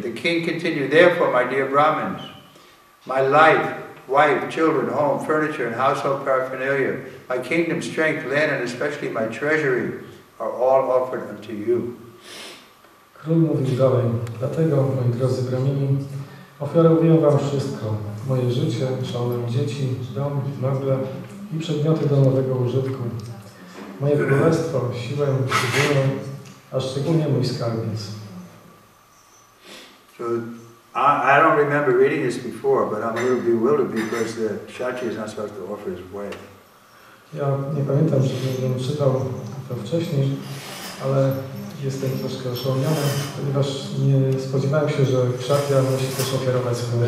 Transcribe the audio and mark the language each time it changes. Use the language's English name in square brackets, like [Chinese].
[English] The king continued, therefore, my dear Brahmins, my life, wife, children, home, furniture, and household paraphernalia, my kingdom, strength, land, and especially my treasury, are all offered unto you. [Polish] Król mówi dalej, dlatego, moi drodzy Bramini, ofiarowuję wam wszystko, moje życie, żonę, dzieci, dom, meble i przedmioty do nowego użytku, moje królestwo, siłę, przybyłę, a szczególnie mój skarbiec. [English] I don't remember reading this before, but I'm a little bewildered because the kshatriya is not supposed to offer his wife. [Polish] Ja nie pamiętam, żebym czytał to wcześniej, ale jestem troszkę oszołomiony, ponieważ nie spodziewałem się, że kshatriya musi też ofiarować swoją